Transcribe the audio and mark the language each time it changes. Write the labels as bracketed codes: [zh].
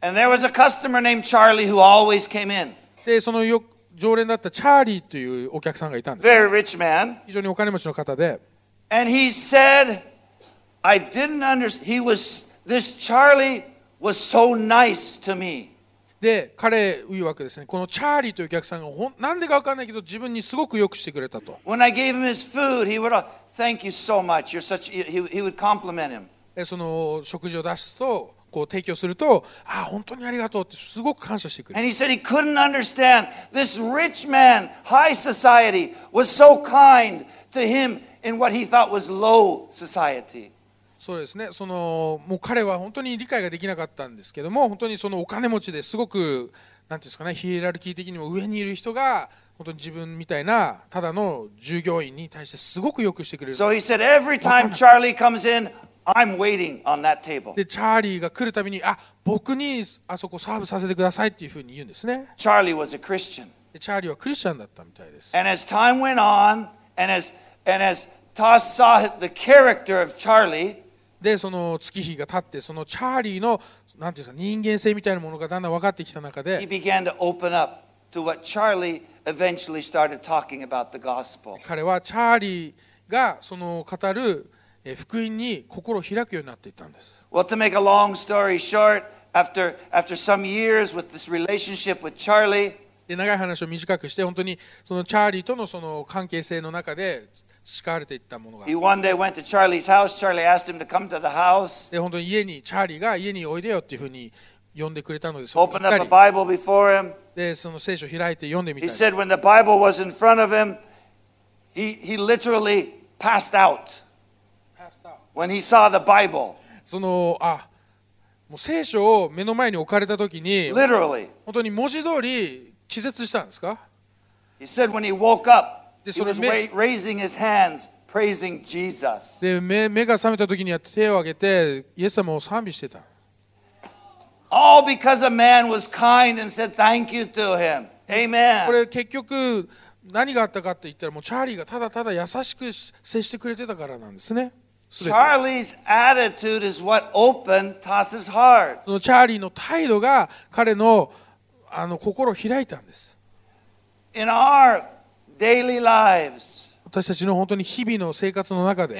[en] And there was a customer named Charlie who always came in. [ja] で、そのよ常連だったチャーリーというお客さんがいたんです。 [en] Very rich man. [ja] 非常にお金持ちの方で。 [en] And he said, "I didn't understand. He was this Charlie was so nice to me." [ja] で、彼曰くですね、このチャーリーというお客さんがなんでか分かんないけど自分にすごく良くしてくれたと。 [en] When I gave him his food, he would thank you so much. You're such he would compliment him. [ja] その食事を出すと。こう提供すると、ああ本当にありがとうってすごく感謝してくれ。 [en] And he said he couldn't understand this rich man, high society, was so kind to him in what he thought was low society. [ja] そうですね。そのもう彼は本当に理解ができなかったんですけども、本当にそのお金持ちですごくなんていうんですかね、ヒエラルキー的にも上にいる人が本当に自分みたいなただの従業員に対してすごく良くしてくれる。 [en] So he said every time Charlie comes in, I'm waiting on that table. [ja] でチャーリーが来るたびに、あ、僕にあそこサーブさせてくださいっていうふうに言うんですね。 [en] Charlie was a Christian. [ja] でチャーリーはクリスチャンだったみたいです。 [en] And as time went on, and as Toss saw the character of Charlie. [ja] でその月日が経って、そのチャーリーのなんていうんですか、人間性みたいなものがだんだん分かってきた中で、 [en] he began to open up to what Charlie eventually started talking about the gospel. [ja] 彼はチャーリーがその語る福音に心を開くようになっていったんです。 [en] Well, to make a long story short, after some years with this relationship with Charlie, [ja] で長い話を短くして、本当にそのチャーリーとのその関係性の中で。叱られていったものが。 [en] He one day went to Charlie's house. Charlie asked him to come to the house. [ja] で、本当に家に、チャーリーが家においでよっていうふうに呼んでくれたので、そこに行ったり。 [en] Opened up a Bible before him. [ja] で、その聖書を開いて読んでみたり。 [en] He said when the Bible was in front of him, he literally passed out. Passed out. When he saw the Bible. [ja] その、あ、もう聖書を目の前に置かれたときに、 [en] literally. [ja] 本当に文字通り気絶したんですか？ [en] He said when he woke up,He was raising his hands, praising Jesus. [ja] で、目が覚めた時には手を挙げて、イエス様を賛美してた。 [en] All because a man was kind and said thank you to him. Amen. [ja] これ結局何があったかって言ったら、もうチャーリーがただただ優しく接してくれてたからなんですね。 [en] Charlie's attitude is what opened Toss's heart. [ja] そのチャーリーの態度が彼の、あの心を開いたんです。 [en] In our daily lives, [ja] 私たちの本当に日々の生活の中で、